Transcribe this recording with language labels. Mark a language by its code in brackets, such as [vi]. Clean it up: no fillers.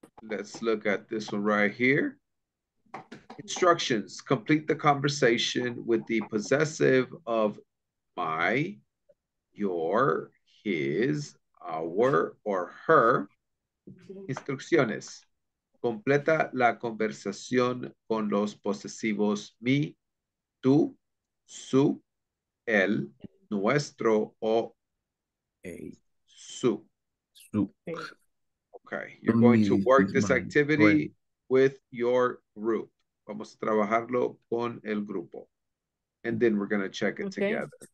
[en] Let's look at this one right here. Instructions, complete the conversation with the possessive of my, your, his, our, or her. [es] Instrucciones. Completa la conversación con los posesivos mi, tú, su, él, nuestro, o su. Su. [en] Okay. You're going to work this activity with your group. [es] Vamos a trabajarlo con el grupo. [en] And then we're going to check it together.